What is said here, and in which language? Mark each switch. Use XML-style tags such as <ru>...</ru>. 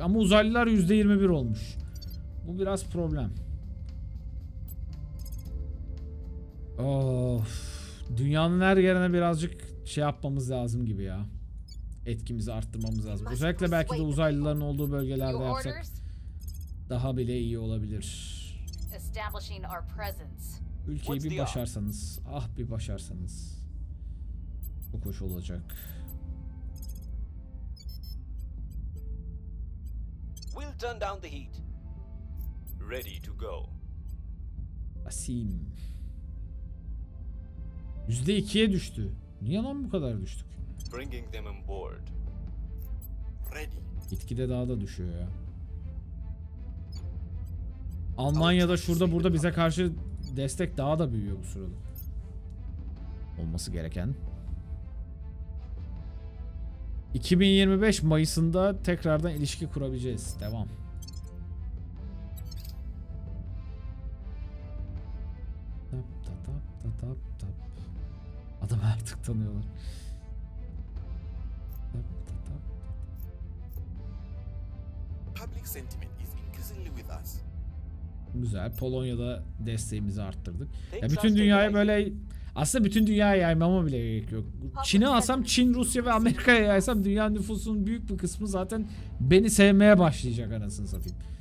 <tr>Ama uzaylılar %21 olmuş. Bu biraz problem. Of. Dünyanın her yerine birazcık şey yapmamız lazım gibi ya. Etkimizi arttırmamız lazım. Özellikle belki de uzaylıların olduğu bölgelerde yapsak daha bile iyi olabilir.</tr> <en>Establishing our presence.</en> <tr>Ülkeyi bir başarsanız, ah bir başarsanız, çok hoş olacak.</tr> <en>We'll turn down the heat. Ready to go.</en> <tr>Asim. %2'ye düştü. Niye lan bu kadar düştük?</tr> <en>Bringing them on board. Ready.</en> <tr>Gitgide daha da düşüyor ya. Almanya'da şurada burada bize karşı destek daha da büyüyor bu sırada. Olması gereken. 2025 Mayıs'ında tekrardan ilişki kurabileceğiz. Devam. Tap tap tap tap tap tap. Adamı artık tanıyorlar. Tap tap tap.</tr> <en>Public sentiment is increasingly with us.</en> <tr>Güzel. Polonya'da desteğimizi arttırdık. Ya bütün dünyaya böyle... Aslında bütün dünyaya yaymama bile gerek yok. Çin'e alsam, Çin, Rusya ve Amerika'ya yaysam dünya nüfusunun büyük bir kısmı zaten beni sevmeye başlayacak anasını satayım.</tr>